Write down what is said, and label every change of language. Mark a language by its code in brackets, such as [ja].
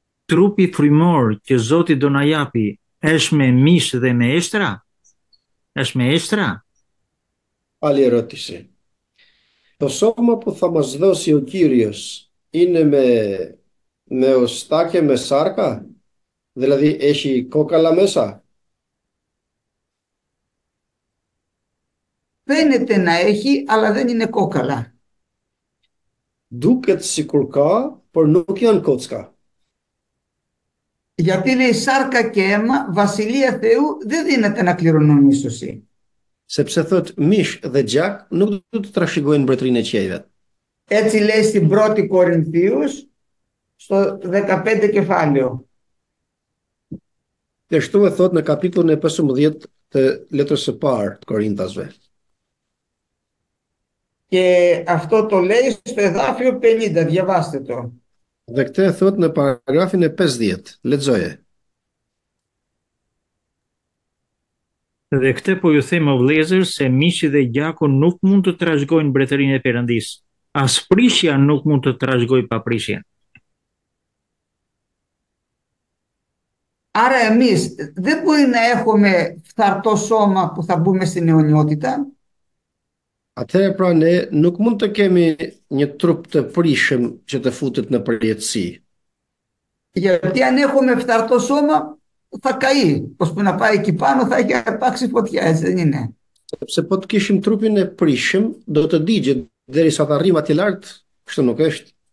[sq] trupi frymor që Zoti do na japi, është me mish dhe me eshtra? Është me eshtra? [el] Άλλη ερώτηση. Το σώμα που θα μας δώσει ο Κύριος είναι με οστά και με σάρκα, δηλαδή έχει κόκαλα μέσα. Φαίνεται να έχει, αλλά δεν είναι κόκαλα. [sq] Duket sikur ka, por nuk janë kocka. [el] Γιατί λέει σάρκα και αίμα, βασιλεία Θεού δεν δίνεται να κληρονούν μίσθωση. [sq] Sepse thot mish dhe gjak nuk do të trashëgojnë mbretërinë e qiejve. [el] Έτσι λέει στην πρώτη Κορινθίους, στο 15 κεφάλαιο. Και αυτό [sq] e thot në kapitullin e 15 të letrës së parë të Korintasve. [el] Και αυτό το λέει στο εδάφιο 50, διαβάστε το. [sq] Dhe këtë e thot në paragrafin e 50, lexoje. Dhe këtë po ju them o vëllezër se miqi dhe gjaku nuk mund të trashëgojnë mbretërinë e Perëndis. As prishja nuk mund të trashëgoj paprishjen. [el] Άρα εμείς δεν μπορεί να έχουμε φθαρτό σώμα που θα μπούμε στην αιωνιότητα. [sq] Atëherë pra ne nuk mund të kemi një trup të prishëm që të futet në përjetësi. [el] Γιατί αν έχουμε φθαρτό σώμα θα καεί. Πως που να πάει εκεί πάνω θα έχει αρπάξει φωτιά, έτσι δεν είναι. [sq] Sepse po të kishim trupin e prishëm, do të digjet deri sa të arrim atje lartë, kështu nuk është.